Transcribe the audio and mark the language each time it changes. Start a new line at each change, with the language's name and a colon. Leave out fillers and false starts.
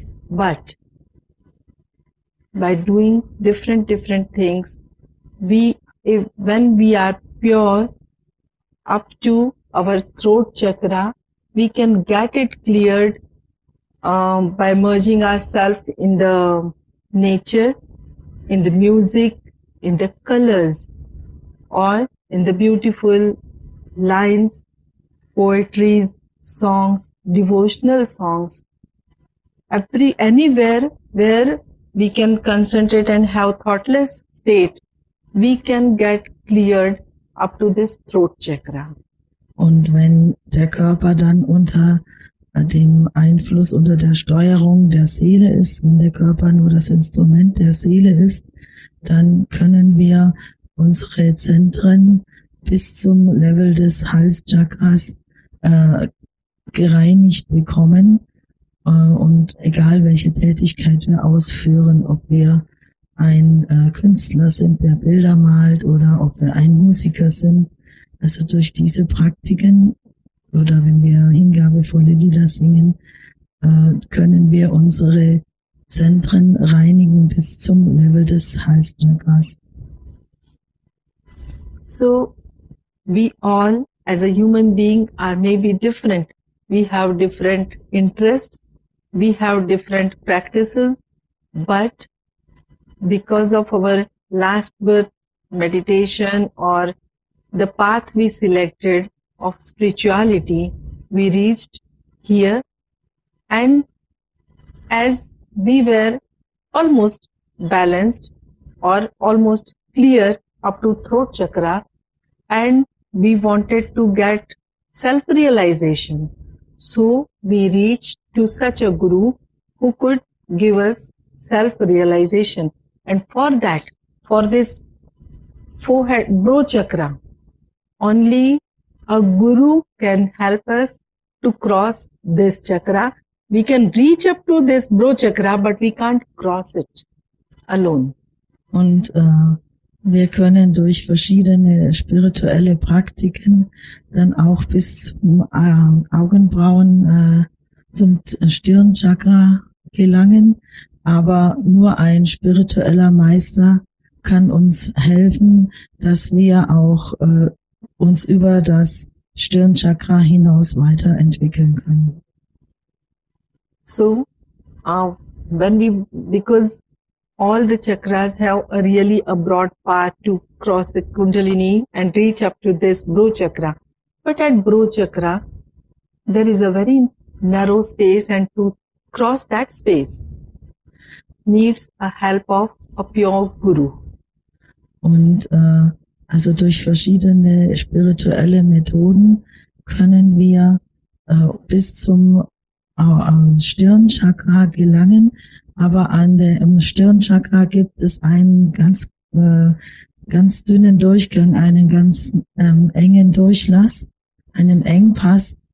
English: But by doing different things, when we are pure up to our throat chakra, we can get it cleared by merging ourselves in the nature, in the music, in the colors, or in the beautiful lines, poetries, songs, devotional songs, anywhere where we can concentrate and have thoughtless state, we can get cleared up to this throat chakra.
German: Und wenn der Körper dann unter dem Einfluss, unter der Steuerung der Seele ist, wenn der Körper nur das Instrument der Seele ist, dann können wir unsere Zentren bis zum Level des Halschakras gereinigt bekommen. Und egal, welche Tätigkeit wir ausführen, ob wir ein Künstler sind, der Bilder malt, oder ob wir ein Musiker sind, also durch diese Praktiken oder wenn wir hingabevolle Lieder singen, können wir unsere Zentren reinigen bis zum Level des Halschakras.
English: So, we all as a human being are maybe different. We have different interests, we have different practices, but because of our last birth meditation or the path we selected of spirituality, we reached here, and as we were almost balanced or almost clear up to throat chakra, and we wanted to get self-realization, so we reached to such a guru who could give us self-realization, and for that, for this forehead bro chakra, only a guru can help us to cross this chakra. We can reach up to this bro chakra, but we can't cross it alone.
German: Und wir können durch verschiedene spirituelle Praktiken dann auch bis zum Augenbrauen, zum Stirnchakra gelangen. Aber nur ein spiritueller Meister kann uns helfen, dass wir auch uns über das Stirnchakra hinaus weiterentwickeln können.
English: So, when we, because all the chakras have a really a broad path to cross the Kundalini and reach up to this bro chakra. But at bro chakra, there is a very narrow space, and to cross that space needs a help of a pure guru.
German: Und also durch verschiedene spirituelle Methoden können wir bis zum Stirnchakra gelangen, aber im Stirnchakra gibt es einen ganz ganz dünnen Durchgang, einen ganz engen Durchlass, einen Engpass,